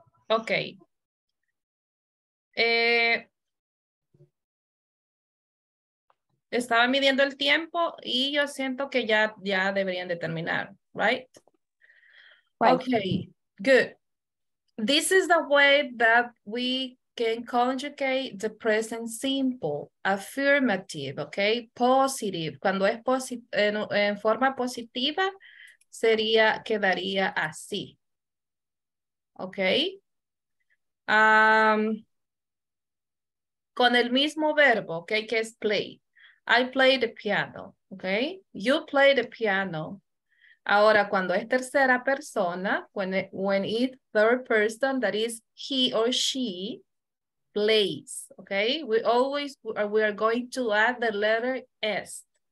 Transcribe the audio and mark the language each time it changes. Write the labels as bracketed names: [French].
[English] Okay. [Spanish] Estaba midiendo el tiempo y yo siento que ya deberían de terminar, right? [English] Okay. Good. This is the way that we can conjugate the present simple, affirmative, okay? [Spanish] Positive. Cuando es en forma positiva, quedaría así. Okay? Con el mismo verbo, okay, que es play. [English] I play the piano, okay? You play the piano. [Spanish] Ahora, cuando es tercera persona, [English] when it's third person, that is he or she plays, okay? We are going to add the letter S.